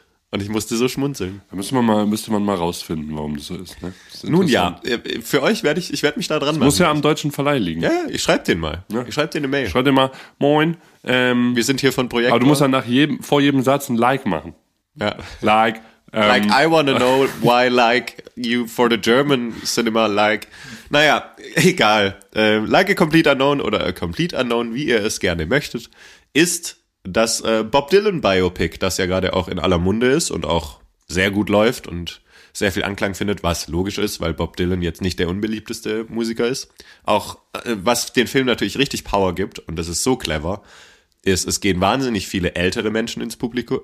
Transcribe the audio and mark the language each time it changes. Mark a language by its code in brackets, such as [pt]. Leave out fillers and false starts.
[de] Und ich musste so schmunzeln. Da müsste man mal rausfinden, warum das so ist. Ne? Das ist nun ja, für euch werde ich mich da dran machen. Muss ja am deutschen Verleih liegen. Ja, ich schreibe den mal. Ja. Ich schreibe den eine Mail. Schreib dir mal, moin. Wir sind hier von Projekt. Aber du musst dann vor jedem Satz ein Like machen. Ja. [en] Like. Like, I wanna know why, like, you for the German cinema, like, [de] naja, egal. Like a Complete Unknown oder A Complete Unknown, wie ihr es gerne möchtet, ist das Bob Dylan Biopic, das ja gerade auch in aller Munde ist und auch sehr gut läuft und sehr viel Anklang findet, was logisch ist, weil Bob Dylan jetzt nicht der unbeliebteste Musiker ist. Auch was den Film natürlich richtig Power gibt, und das ist so clever, ist, es gehen wahnsinnig viele ältere Menschen ins Kino.